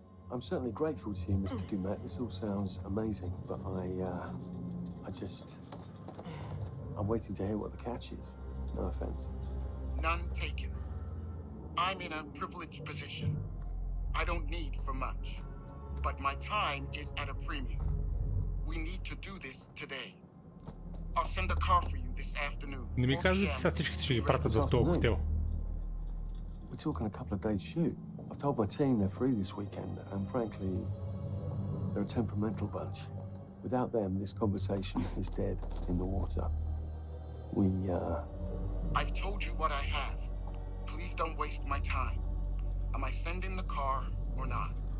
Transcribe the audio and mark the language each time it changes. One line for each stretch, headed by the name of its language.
English: I'm certainly grateful to you, Mr. Dumet. This all sounds amazing, but I'm waiting to hear what the catch is. No offense. None taken. I'm in a privileged position. I don't need for much. But my time is at a premium. We need to do this today. I'll send a car for you this afternoon.
Bulgarian: Не ми казвай, че сега всичките ще ги пратят в този хотел.
English: We're talking a couple of days shoot. I've told my team they're free this weekend, and frankly, they're a temperamental bunch. Without them, this conversation is dead in the water. I've told you what I have. Please don't waste my time. Am I sending the car or not?